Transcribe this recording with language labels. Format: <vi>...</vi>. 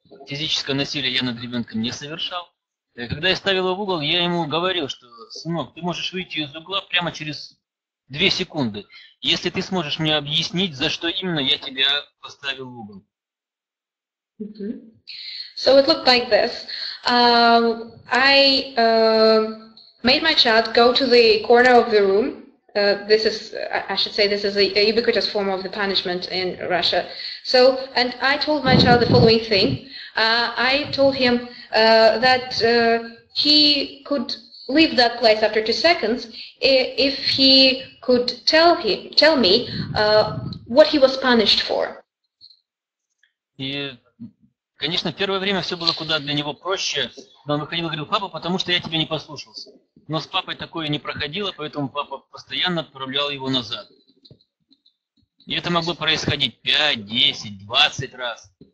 <ru>Физическое насилие я над ребенком не совершал. Когда я ставил его в угол, я ему говорил, что: сынок, ты можешь выйти из угла прямо через 2 секунды, если ты сможешь мне объяснить, за что именно я тебя поставил в угол.</ru> <en>So it looked like this. I made my child go to the corner of the room. This is, I should say, this is a ubiquitous form of the punishment in Russia. So, and I told my child the following thing. I told him that he could leave that place after 2 seconds if he could tell me what he was punished for.</en> <ru>И, конечно, первое время все было куда для него проще. Но он выходил и говорил: папа, потому что я тебя не послушался. Но с папой такое не проходило, поэтому папа постоянно отправлял его назад. И это могло происходить 5, 10, 20 раз.</ru>